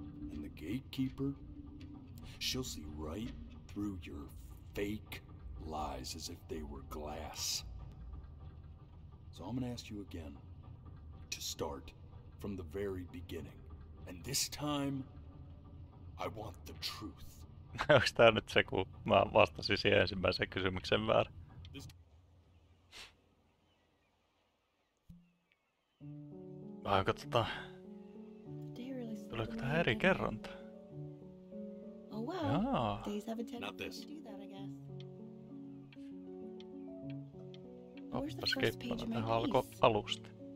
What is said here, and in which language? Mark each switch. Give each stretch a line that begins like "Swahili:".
English: And the gatekeeper, she'll see right through your fake lies as if they were glass. So I'm gonna ask you again to start from the very beginning. And this time, I want the truth.
Finnish: Onks tää nyt se, kun mä vastasin siihen ensimmäiseen kysymykseen väärin? Vai onko tota... Tuleeko tähän eri kerronta?
English: Oh well, these have a tendency to do that, I guess.
Finnish: Oppa, skippana tähän alko alusta.